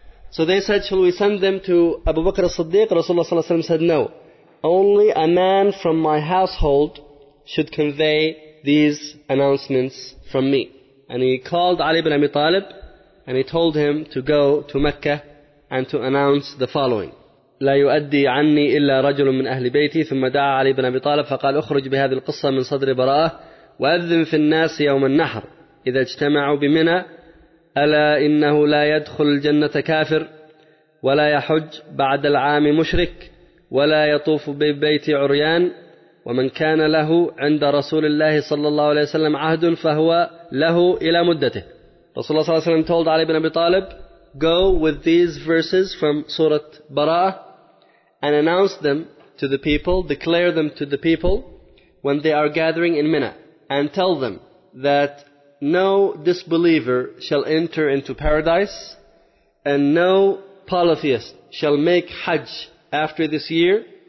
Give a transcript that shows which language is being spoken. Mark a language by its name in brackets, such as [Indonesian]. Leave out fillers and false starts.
[English] So they said, shall we send them to Abu Bakr as-Siddiq? Rasulullah sallallahu alaihi wasallam said, no. Only a man from my household should convey these announcements from me. And he called Ali ibn Abi Talib and he told him to go to Mecca and to announce the following. [Arabic] لا يؤدي عني إلا رجل من أهل بيتي ثم دعا علي بن أبي طالب فقال أخرج بهذه القصة من صدر براءة وأذن في الناس يوم النحر إذا اجتمعوا بمنى ألا إنه لا يدخل الجنة كافر ولا يحج بعد العام مشرك ولا يطوف ببيت عريان ومن كان له عند رسول الله صلى الله عليه وسلم عهد فهو له إلى مدته. رسول الله صلى الله عليه وسلم [English] told علي بن أبي طالب, go with these verses from Surah Bara'ah and announce them to the people, declare them to the people when they are gathering in Mina, and tell them that no disbeliever shall enter into paradise and no polytheist shall make Hajj after this year